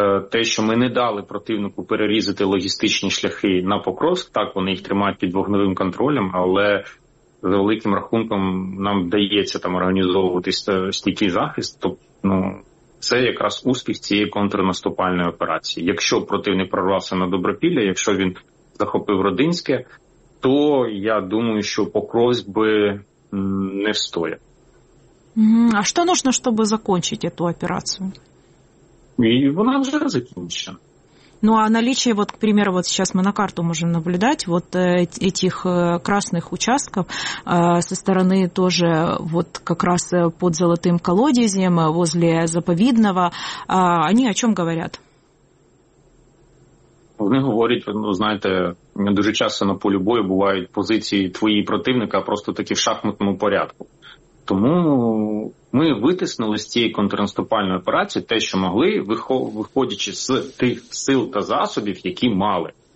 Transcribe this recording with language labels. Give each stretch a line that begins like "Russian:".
Ukrainian: те, що ми не дали противнику перерізати логістичні шляхи на Покровськ, так, вони їх тримають під вогневим контролем, але за великим рахунком нам вдається там організовувати стійкий захист, то, ну, це якраз успіх цієї контрнаступальної операції. Якщо противник прорвався на Добропілля, якщо він захопив Родинське, то я думаю, що Покровськ би не встояв. А що потрібно, щоб закінчити цю операцію? І вона вже закінчена.
Russian: Ну, а наличие, вот, к примеру, вот сейчас мы на карту можем наблюдать вот этих красных участков со стороны тоже вот как раз под Золотым колодезем, возле Заповедного, они о чем говорят?
Ukrainian: Вони говорять, ну, знаєте, дуже часто на полі бою бувають позиції твої противника просто такі в шахматному порядку. Тому ми витиснули з цієї контрнаступальної операції те, що могли, виходячи з тих сил та засобів, які мали.